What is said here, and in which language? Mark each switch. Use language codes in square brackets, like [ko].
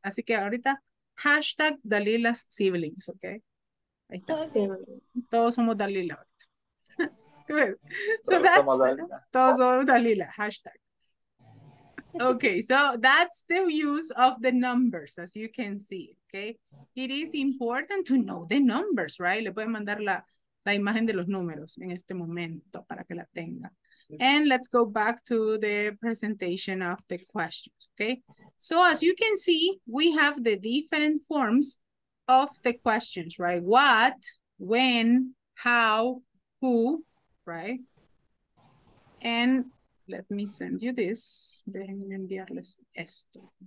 [es] Así que ahorita, [en] hashtag Dalila's siblings, [es] okay? Ahí está. Sí. Todos somos Dalila ahorita. [en] Good. So that's, [es] todos somos Dalila, hashtag. [en] Okay, so that's the use of the numbers, as you can see, okay? It is important to know the numbers, right? [es] Le voy a mandar la imagen de los números en este momento para que la tenga. [en] And let's go back to the presentation of the questions, okay? So as you can see, we have the different forms of the questions, right? What, when, how, who, right? And let me send you this. [es] Déjenme enviarles esto.